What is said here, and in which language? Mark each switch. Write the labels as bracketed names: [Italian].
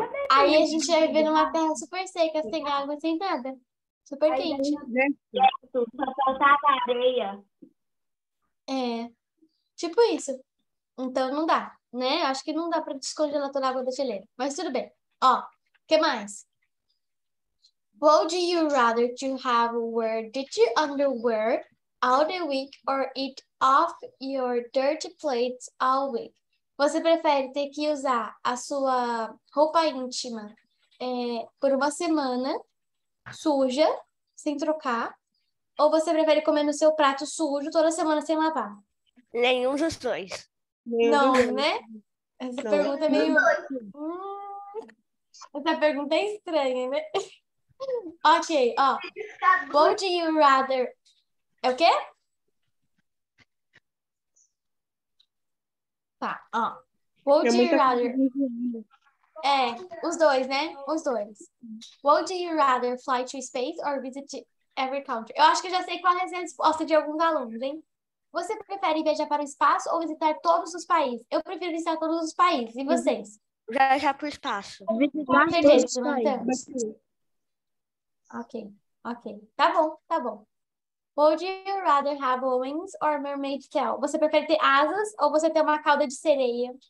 [Portuguese] Aí a gente vai viver numa terra super seca, sem água, sem nada. Super aí, quente. Só falta a areia. É, tipo isso. Então não dá, né? Acho que não dá para descongelar toda a água da geleira. Mas tudo bem. Ó, o que mais? [English] Would you rather to have wear dirty underwear all the week or eat off your dirty plates all week? [Portuguese] Você prefere ter que usar a sua roupa íntima por uma semana suja, sem trocar? Ou você prefere comer no seu prato sujo toda semana sem lavar? Nenhum dos dois. Não, né? Essa não. Pergunta é meio... essa pergunta é estranha, né? Ok, ó. [English] Would you rather... [Portuguese] É o quê? Tá, ó. [English] Would you rather... [Portuguese] É, os dois, né? Os dois. [English] Would you rather fly to space or visit... every country. [Portuguese] Eu acho que eu já sei qual é a resposta de alguns alunos, hein? Você prefere viajar para o espaço ou visitar todos os países? Eu prefiro visitar todos os países. E vocês? Viajar para o espaço. Ok. Tá bom. [English] Would you rather have wings or mermaid tail? [Portuguese] Você prefere ter asas ou você ter uma cauda de sereia?